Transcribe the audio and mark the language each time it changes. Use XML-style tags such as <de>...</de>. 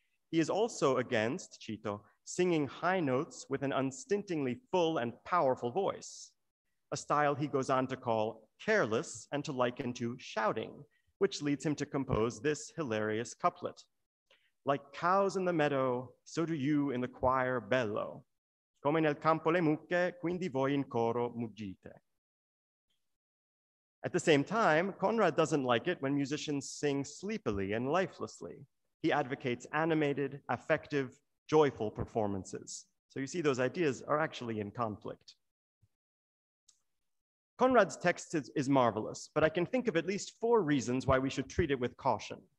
<en>He is also against, cito, singing high notes with an unstintingly full and powerful voice, a style he goes on to call careless and to liken to shouting, which leads him to compose this hilarious couplet. Like cows in the meadow, so do you in the choir bello.</en> <it>Come nel campo le mucche, quindi voi in coro muggite.</it> <en>At the same time, Conrad doesn't like it when musicians sing sleepily and lifelessly. He advocates animated, affective, joyful performances. So you see, those ideas are actually in conflict. Conrad's text is marvelous, but I can think of at least four reasons why we should treat it with caution.</en>